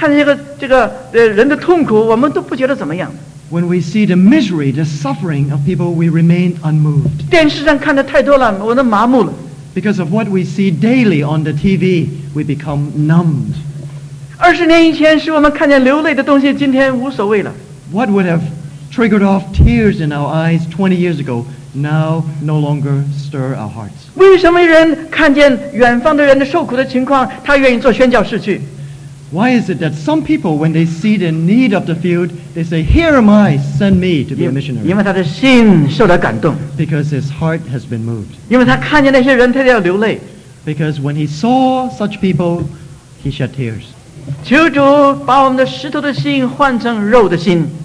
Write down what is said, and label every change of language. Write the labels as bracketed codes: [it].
[zh] 我们现在看见一个灾难,看见一个这个人的痛苦,我们都不觉得怎么样。 [en] When we see the misery, the suffering of people, we remain unmoved. [zh] 电视上看的太多了,我都麻木了。 [en] Because of what we see daily on the TV, we become numbed. [zh] 20年以前使我们看见流泪的东西,今天无所谓了。 [en] What would have triggered off tears in our eyes 20 years ago, now no longer stir our hearts. [zh] 为什么人看见远方的人的受苦的情况,他愿意做宣教士去? [en] Why is it that some people, when they see the need of the field, they say, here am I, send me to be a missionary. [zh] 因为他的心受到感动, [en] because his heart has been moved. [zh] 因为他看见那些人,他就要流泪。 [en] Because when he saw such people, he shed tears. [zh] 求主把我们的石头的心换成肉的心。